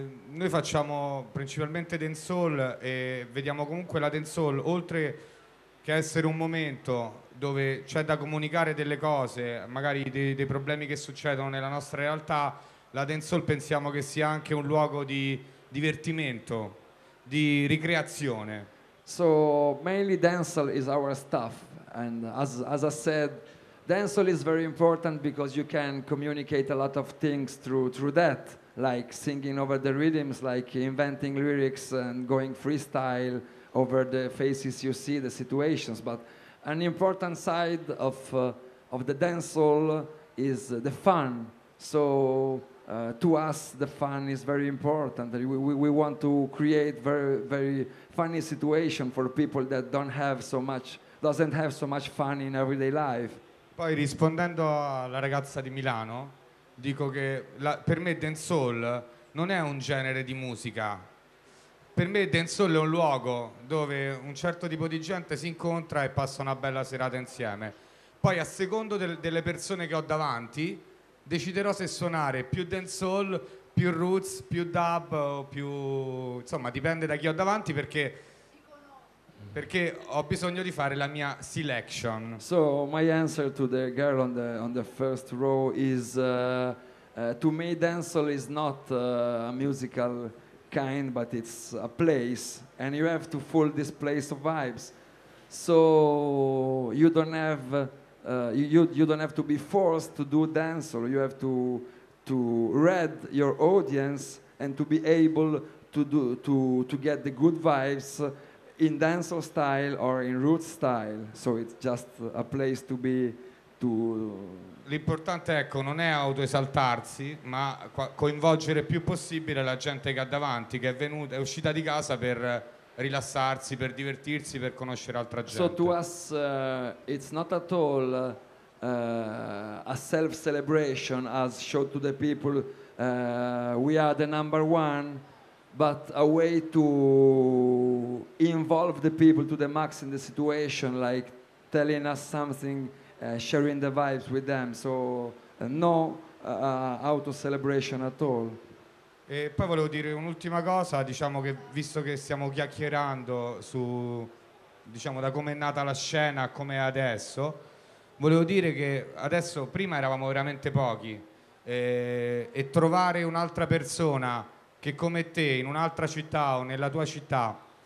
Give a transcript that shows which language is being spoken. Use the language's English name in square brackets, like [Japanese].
[Italian] Noi facciamo principalmente dancehall e vediamo comunque la dancehall, oltre che essere un momento dove c'è da comunicare delle cose, magari dei problemi che succedono nella nostra realtà, la dancehall pensiamo che sia anche un luogo di divertimento, di ricreazione. [English] So mainly dancehall is our stuff, and as I said, dancehall is very important because you can communicate a lot of things through that, like singing over the rhythms, like inventing lyrics and going freestyle over the faces you see, the situations. But an important side of the dancehall is the fun. So to us, the fun is very important. We want to create very, very funny situation for people that doesn't have so much fun in everyday life. [Italian] Poi rispondendo alla ragazza di Milano, dico che per me dancehall non è un genere di musica. Per me dancehall è un luogo dove un certo tipo di gente si incontra e passa una bella serata insieme. Poi a secondo delle persone che ho davanti deciderò se suonare più dancehall, più roots, più dub o più... insomma dipende da chi ho davanti, perché ho bisogno di fare la mia selection. [English] So my answer to the girl on the first row is to me dancehall is not a musical kind, but it's a place, and you have to fill this place of vibes. So you don't have you don't have to be forced to do dancehall. You have to read your audience and to be able to get the good vibes in dancehall style or in roots style. So it's just a place to be. To [Italian] l'importante, ecco, non è autoesaltarsi, ma coinvolgere più possibile la gente che ha davanti, che è uscita di casa per rilassarsi, per divertirsi, per conoscere altra gente. [English] So to us it's not at all a self celebration, as show to the people we are the number one, but a way to involve the people to the max in the situation, like telling us something, sharing the vibes with them. So no auto celebration at all. [Italian] E poi volevo dire un'ultima cosa, diciamo che visto che stiamo chiacchierando su, diciamo, da come è nata la scena a come è adesso, volevo dire che adesso, prima eravamo veramente pochi, e trovare un'altra persona che come te in un'altra città o nella tua città